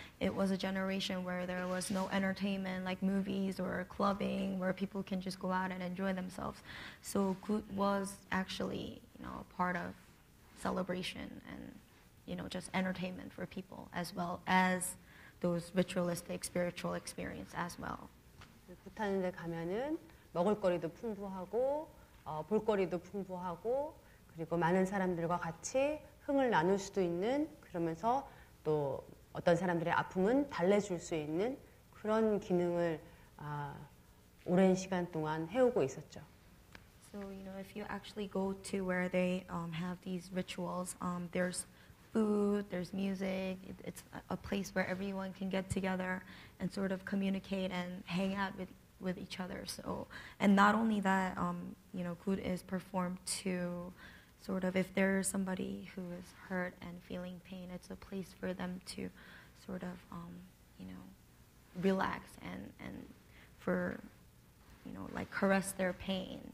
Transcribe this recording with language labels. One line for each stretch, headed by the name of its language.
English: It was a generation where there was no entertainment like movies or clubbing where people can just go out and enjoy themselves. So good was actually, you know, part of celebration and, you know, just entertainment for people as well as those ritualistic spiritual experience as well.
Korean: 굿하는 데 가면은 먹을거리도 풍부하고 볼거리도 풍부하고 그리고 많은 사람들과 같이 흥을 나눌 수도 있는 그러면서 또 어떤 사람들의 아픔은 달래줄 수 있는 그런 기능을 오랜 시간 동안 해오고 있었죠.
English: So you know, if you actually go to where they have these rituals, there's food, there's music. It's a place where everyone can get together and sort of communicate and hang out with each other. So, and not only that, you know, good is performed to sort of, if there's somebody who is hurt and feeling pain, it's a place for them to sort of, you know, relax and for, you know, like caress their pain.